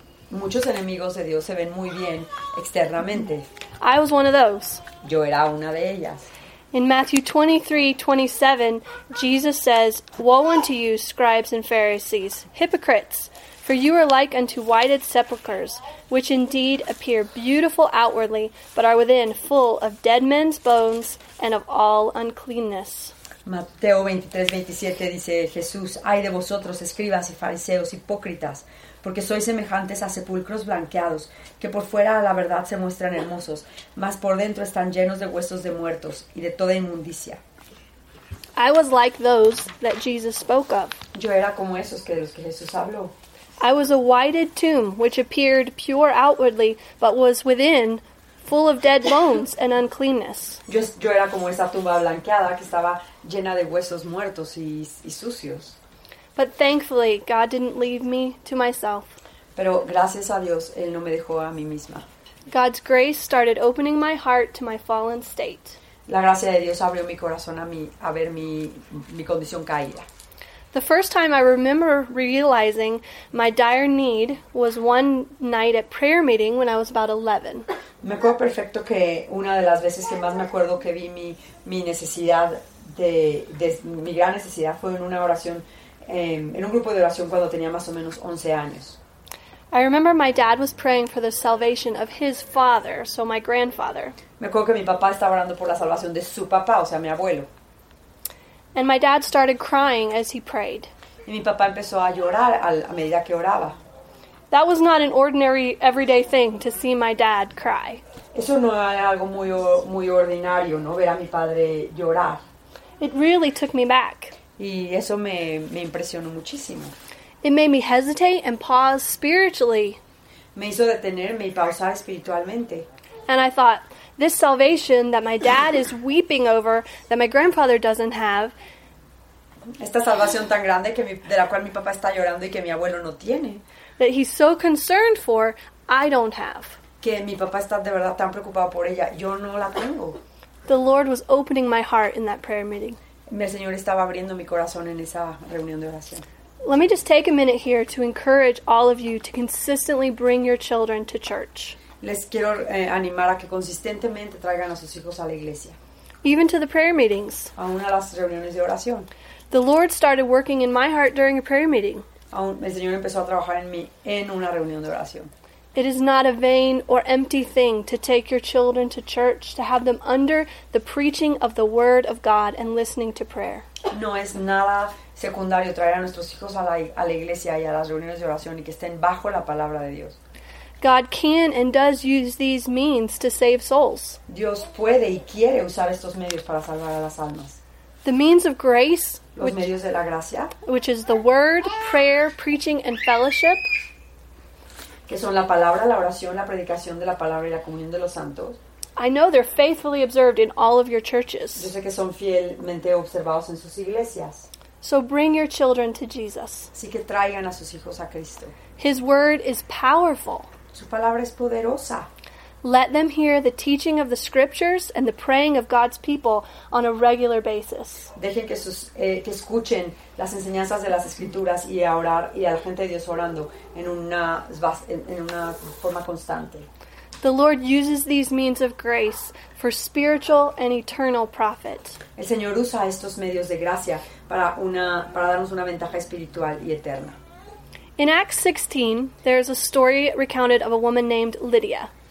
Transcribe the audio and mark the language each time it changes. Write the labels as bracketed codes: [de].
[es] Muchos enemigos de Dios se ven muy bien externamente. [en] I was one of those. [es] Yo era una de ellas. [en] In Matthew 23:27, Jesus says, "Woe unto you, scribes and Pharisees, hypocrites! For you are like unto whited sepulchres, which indeed appear beautiful outwardly, but are within full of dead men's bones and of all uncleanness." [es] Mateo 23:27 dice Jesús, "Ay de vosotros, escribas y fariseos hipócritas, porque sois semejantes a sepulcros blanqueados, que por fuera a la verdad se muestran hermosos, mas por dentro están llenos de huesos de muertos y de toda inmundicia." [en] I was like those that Jesus spoke of. [es] Yo era como esos que de los que Jesús habló. [en] I was a whited tomb, which appeared pure outwardly, but was within full of dead bones and uncleanness. [es] Yo era como esa tumba blanqueada que estaba llena de huesos muertos y sucios. [en] But thankfully, God didn't leave me to myself. [es] Pero gracias a Dios, Él no me dejó a mí misma. [en] God's grace started opening my heart to my fallen state. [es] La gracia de Dios abrió mi corazón a ver mi condición caída. [en] The first time I remember realizing my dire need was one night at prayer meeting when I was about 11. [es] Me acuerdo perfecto que una de las veces que más me acuerdo que vi mi necesidad de mi gran necesidad fue en una oración en un grupo de oración cuando tenía más o menos 11 años. [en] I remember my dad was praying for the salvation of his father, so my grandfather. [es] Me acuerdo que mi papá estaba orando por la salvación de su papá, o sea, mi abuelo. [en] And my dad started crying as he prayed. [es] Y mi papá empezó a llorar a medida que oraba. [en] That was not an ordinary, everyday thing to see my dad cry. [es] Eso no era algo muy, muy ordinario, ¿no? Ver a mi padre llorar. [en] It really took me back. [es] Y eso me impresionó muchísimo. [en] It made me hesitate and pause spiritually. [es] Me hizo detenerme y pausar espiritualmente. [en] And I thought, this salvation that my dad is weeping over, that my grandfather doesn't have. [es] Esta salvación tan grande que de la cual mi papá está llorando y que mi abuelo no tiene. [en] That he's so concerned for, I don't have. [es] Que mi papá está de verdad tan preocupado por ella, yo no la tengo. [en] The Lord was opening my heart in that prayer meeting. [es] El Señor estaba abriendo mi corazón en esa reunión de oración. [en] Let me just take a minute here to encourage all of you to consistently bring your children to church. [es] Les quiero animar a que consistentemente traigan a sus hijos a la iglesia. [en] Even to the prayer meetings. [es] Aún a las reuniones de oración. [en] The Lord started working in my heart during a prayer meeting. [es] Aún el Señor empezó a trabajar en mí en una reunión de oración. [en] It is not a vain or empty thing to take your children to church, to have them under the preaching of the Word of God and listening to prayer. [es] No es nada secundario traer a nuestros hijos a la iglesia y a las reuniones de oración y que estén bajo la palabra de Dios. [en] God can and does use these means to save souls. [es] Dios puede y quiere usar estos medios para salvar a las almas. [en] The means of grace, [es] los medios de la gracia, [en] which is the word, prayer, preaching, and fellowship, [es] que son la palabra, la oración, la predicación de la palabra y la comunión de los santos. [en] I know they're faithfully observed in all of your churches. [es] Yo sé que son fielmente observados en sus iglesias. [en] So bring your children to Jesus. [es] Así que traigan a sus hijos a Cristo. [en] His word is powerful. [es] Su palabra es poderosa. [en] Let them hear the teaching of the scriptures and the praying of God's people on a regular basis. [es] Dejen que escuchen las enseñanzas de las escrituras y a orar y a la gente de Dios orando en una forma constante. [en] The Lord uses these means of grace for spiritual and eternal profit. [es] El Señor usa estos medios de gracia para darnos una ventaja espiritual y eterna. [en] In Acts 16, there is a story recounted of a woman named Lydia.